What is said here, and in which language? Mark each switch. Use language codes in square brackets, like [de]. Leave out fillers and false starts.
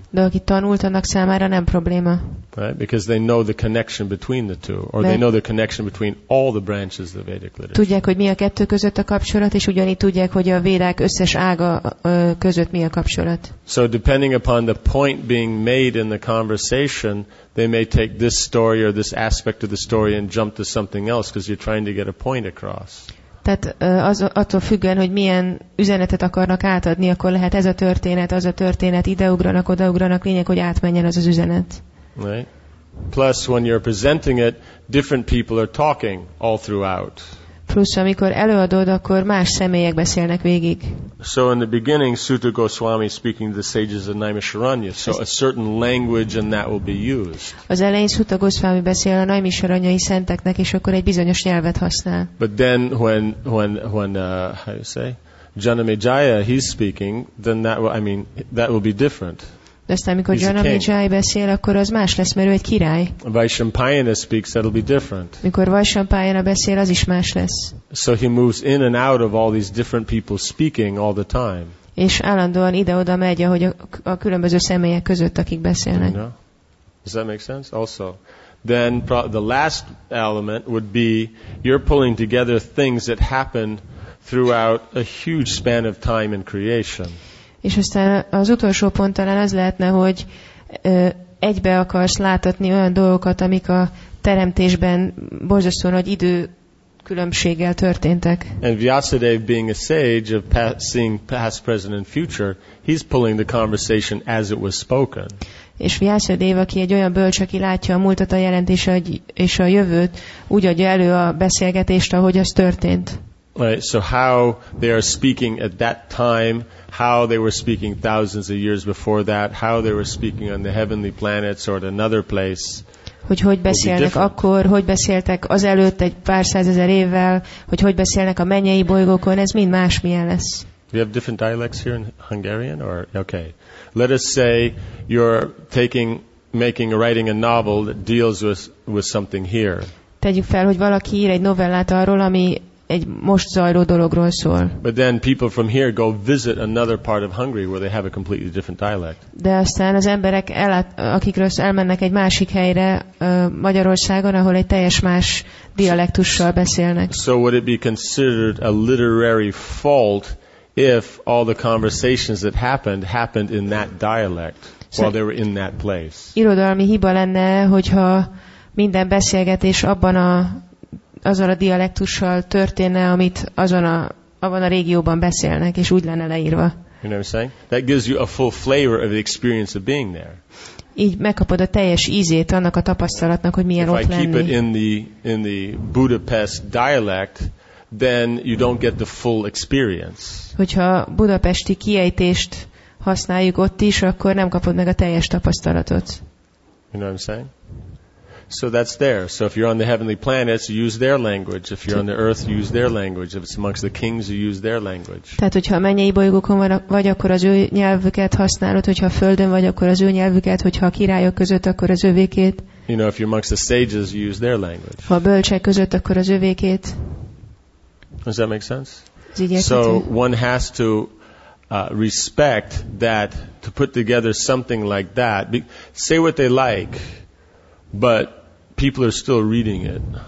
[hu] De aki tanult, annak számára nem probléma. [en] Right? Because they know the connection between the two, or they know the connection between all the branches of the Vedic literature. [hu] Tudják, hogy mi a kettő között a kapcsolat, és ugyanígy tudják, hogy a védák összes ága között mi a kapcsolat. [en] So depending upon the point being made in the conversation, they may take this story or this aspect of the story and jump to something else because you're trying to get a point across. [hu] Tehát az attól függően, hogy milyen üzenetet akarnak átadni, akkor lehet ez a történet, az a történet, ideugranak, odaugranak, lényeg, hogy átmenjen az az üzenet. [en] Right. Plus, when you're presenting it, different people are talking all throughout. [hu] Plusz, amikor előadod, akkor más személyek beszélnek végig. [en] So in the beginning, Suta Goswami speaking to the sages of Naimisharanya. So a certain language and that will be used. [hu] Az elején Suta Goswami beszél a naimisharanyai szenteknek, és akkor egy bizonyos nyelvet használ. [en] But then when how you say, Janamejaya, he's speaking, then that will be different. [hu] De aztán, amikor Janamejaya beszél, akkor az más lesz, mert ő egy király. [en] Vaishampayana speaks, that'll be different. [hu] Mikor Vaishampayana beszél, az is más lesz. [en] So he moves in and out of all these different people speaking all the time. [hu] És állandóan ide-oda megy, ahogy a különböző személyek között, akik beszélnek. [en] You know? Does that make sense? Also. Then the last element would be, you're pulling together things that happened throughout a huge span of time in creation. [hu] És aztán az utolsó pont talán az lehetne, hogy egybe akarsz látatni olyan dolgokat, amik a teremtésben borzasztó nagy idő különbséggel történtek. [en] And Vyasadeva being a sage of seeing past, present and future, he's pulling the conversation as it was spoken. [hu] És Vyasadeva, aki egy olyan bölcs, aki látja a múltat, a jelent és a jövőt, úgy adja elő a beszélgetést, ahogy az történt. [en] Right, so how they are speaking at that time, how they were speaking thousands of years before that, how they were speaking on the heavenly planets or at another place. [hu] Hogy beszélnek akkor, hogy beszéltek azelőtt egy pár százezer évvel, hogy beszélnek a mennyei bolygókon, ez mind más milyen lesz. [en] We have different dialects here in Hungarian or okay. Let us say you're writing a novel that deals with something here. [hu] Tegyük fel, hogy valaki ír egy novellát arról, ami egy most zajló dologról szól. [en] But then people from here go visit another part of Hungary where they have a completely different dialect. [hu] De aztán az emberek akikről elmennek egy másik helyre Magyarországon, ahol egy teljes más dialektussal beszélnek. [en] So would it be considered a literary fault if all the conversations that happened in that dialect while they were in that place? [hu] Irodalmi hiba lenne, hogyha minden beszélgetés abban a azon a dialektussal történne, amit azon a abban a régióban beszélnek, és úgy lenne leírva. [en] You know what I'm saying? That gives you a full flavor of the experience of being there. [hu] Így megkapod a teljes ízét annak a tapasztalatnak, hogy milyen ott lenni. [en] If I keep it in the Budapest dialect, then you don't get the full experience. [hu] Hogyha budapesti kiejtést használjuk ott is, akkor nem kapod meg a teljes tapasztalatot. [en] You know what I'm saying? So that's there. So if you're on the heavenly planets, you use their language. If you're on the earth, you use their language. If it's amongst the kings, you use their language. [hu] Tehát, hogyha a mennyei bolygókon vagy, akkor az ő nyelvüket használod, hogyha a földön vagy, akkor az ő nyelvüket, hogyha a királyok között, akkor az övékét. [en] You know, if you're amongst the sages, you use their language. [hu] Ha a bölcsek között, akkor az övékét. [en] Does that make sense? [hu] Ez így érthető. [en] So one has to respect that, to put together something like that. Say what they like, but people are still reading it.